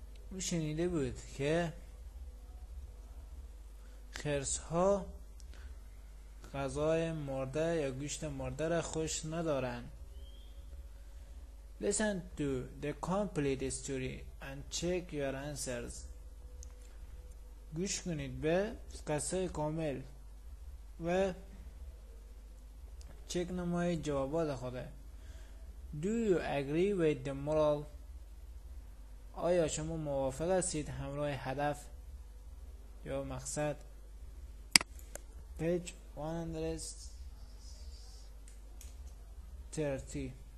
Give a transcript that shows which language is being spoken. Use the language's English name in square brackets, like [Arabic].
[Persian] او شنیده بود که خرس ها غذای مرده یا گوشت مرده را خوش ندارن. [English] Listen to the complete story and check your answers. [Persian] گوش کنید به قصه کامل و چک نمایید جوابات خوده. [English] Do you agree with the moral? [Persian] آیا شما موافق هستید همراه هدف یا مقصد؟ [English] Page 130.